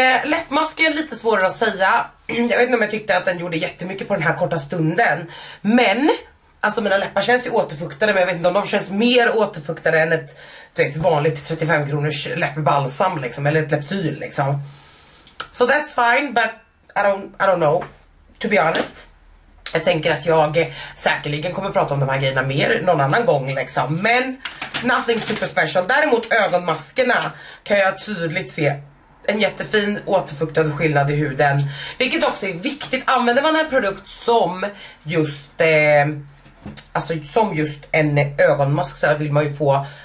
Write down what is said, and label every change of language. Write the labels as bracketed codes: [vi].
[sv] Läppmasken är lite svårare att säga. Jag vet inte om jag tyckte att den gjorde jättemycket på den här korta stunden. Men... Alltså mina läppar känns ju återfuktade, men jag vet inte om de känns mer återfuktade än ett, du vet, vanligt 35 kronors läppbalsam liksom, eller ett läppsyl liksom. [en] So that's fine, but I don't know, to be honest. [sv] Jag tänker att jag säkerligen kommer prata om de här grejerna mer någon annan gång liksom, men [en] nothing super special. [sv] Däremot ögonmaskerna kan jag tydligt se en jättefin återfuktad skillnad i huden, vilket också är viktigt. Använder man en produkt som just... Alltså som just en ögonmask så vill man ju få